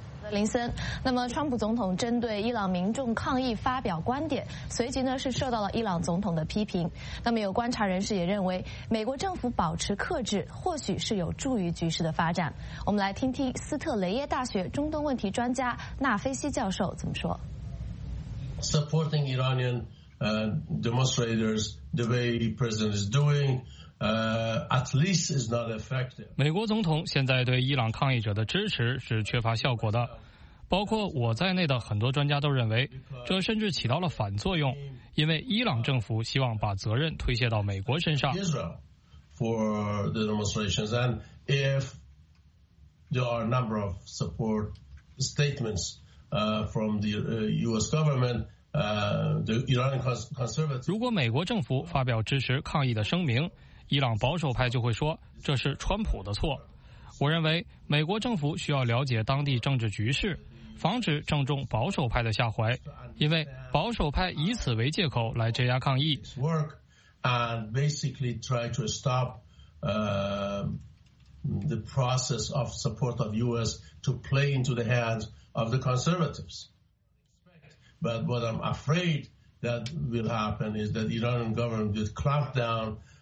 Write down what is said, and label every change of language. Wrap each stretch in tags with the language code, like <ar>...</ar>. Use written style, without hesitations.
<zh>林森，那么川普总统针对伊朗民众抗议发表观点，随即呢是受到了伊朗总统的批评。那么有观察人士也认为，美国政府保持克制或许是有助于局势的发展。我们来听听斯特雷耶大学中东问题专家纳菲西教授怎么说。</zh> <en>Supporting Iranian demonstrators the way the president is doing. At least is not effective.</en> <zh>美国总统现在对伊朗抗议者的支持是缺乏效果的，包括我在内的很多专家都认为这甚至起到了反作用，因为伊朗政府希望把责任推卸到美国身上。</zh> <en>For the demonstrations and if there are a number of support statements from the US governmentthe Iranian conservatives,</en> <zh>如果美国政府发表支持抗议的声明，伊朗保守派就会说这是川普的错。我认为美国政府需要了解当地政治局势，防止正中保守派的下怀，因为保守派以此为借口来镇压抗议。</zh> <en>And basically try to stop the process of support of US to play into the hands of the conservatives. But what I'm afraid that will happen is that Iranian government will clamp down.</en>